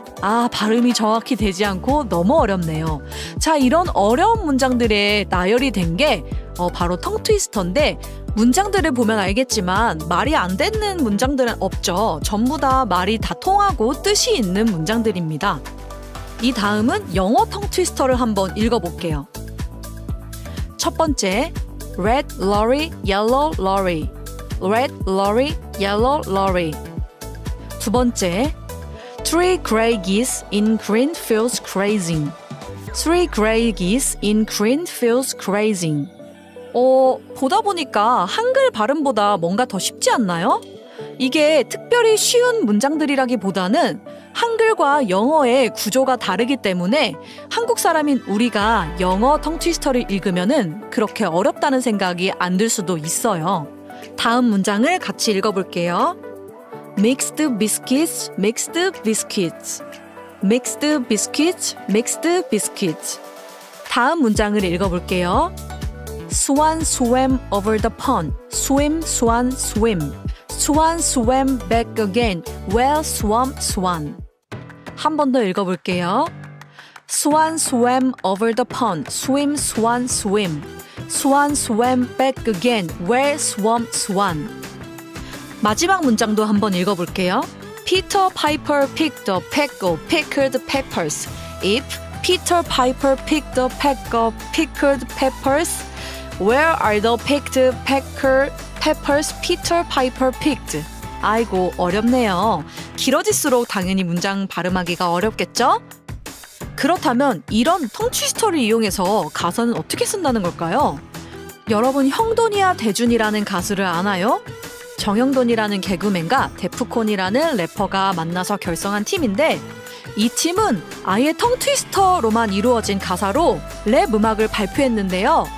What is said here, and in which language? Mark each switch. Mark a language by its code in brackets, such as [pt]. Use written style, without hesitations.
[ko] 아, 발음이 정확히 되지 않고 너무 어렵네요. 자, 이런 어려운 문장들에 나열이 된 게 바로 텅트위스터인데, 문장들을 보면 알겠지만 말이 안 되는 문장들은 없죠. 전부 다 말이 다 통하고 뜻이 있는 문장들입니다. 이 다음은 영어 텅트위스터를 한번 읽어볼게요. 첫 번째, [en] red lorry, yellow lorry. red lorry, yellow lorry. [ko] 두 번째, [en] three gray geese in green fields grazing. three gray geese in green fields grazing. [ko] 보다 보니까 한글 발음보다 뭔가 더 쉽지 않나요? 이게 특별히 쉬운 문장들이라기보다는 한글과 영어의 구조가 다르기 때문에 한국 사람인 우리가 영어 텅트위스터를 읽으면은 그렇게 어렵다는 생각이 안 들 수도 있어요. 다음 문장을 같이 읽어볼게요. [en] Mixed biscuits, mixed biscuits. Mixed biscuits, mixed biscuits. [ko] 다음 문장을 읽어볼게요. [en] Swan swam over the pond. Swim, swan, swim. Swan swam back again. Well, swam, swan. [ko] 한 번 더 읽어볼게요. [en] Swan swam over the pond. Swim, swan, swim. Swan swam back again. Well, swam, swan. [ko] 마지막 문장도 한번 읽어볼게요. [en] Peter Piper picked a peck of pickled peppers. If Peter Piper picked a peck of pickled peppers, where are the picked pickled peppers Peter Piper picked? [ko] 아이고, 어렵네요. 길어질수록 당연히 문장 발음하기가 어렵겠죠? 그렇다면 이런 텅트위스터를 이용해서 가사는 어떻게 쓴다는 걸까요? 여러분, 형돈이야 대준이라는 가수를 아나요? 정형돈이라는 개그맨과 데프콘이라는 래퍼가 만나서 결성한 팀인데, 이 팀은 아예 텅트위스터로만 이루어진 가사로 랩 음악을 발표했는데요.